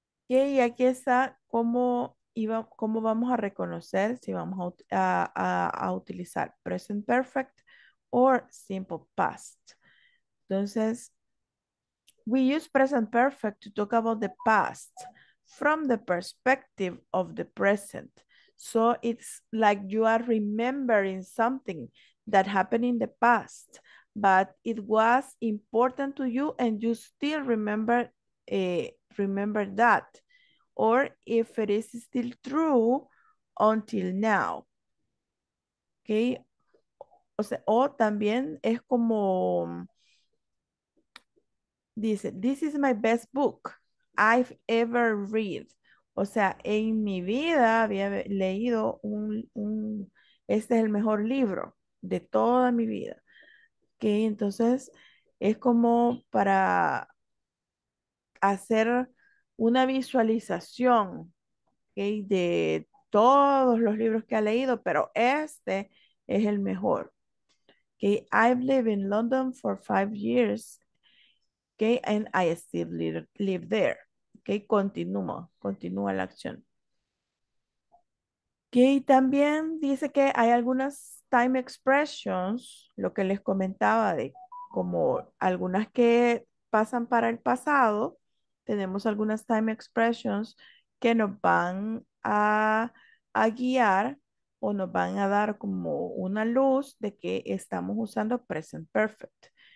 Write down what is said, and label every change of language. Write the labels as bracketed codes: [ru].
[es] Okay, y aquí está cómo vamos a reconocer si vamos a utilizar [en] present perfect or simple past. Entonces, we use present perfect to talk about the past from the perspective of the present. So it's like you are remembering something that happened in the past, but it was important to you and you still remember that, or if it is still true until now. Okay. [es] O sea, o también es como dice, [en] this is my best book I've ever read. [es] O sea, en mi vida había leído este es el mejor libro de toda mi vida. Que okay, entonces es como para hacer una visualización, okay, de todos los libros que ha leído, pero este es el mejor. [en] Okay, I've lived in London for 5 years, okay, and I still live there. [es] Okay, continúa la acción. Okay, también dice que hay algunas time expressions, lo que les comentaba de como algunas que pasan para el pasado, tenemos algunas time expressions que nos van a guiar o nos van a dar como una luz de que estamos usando present perfect.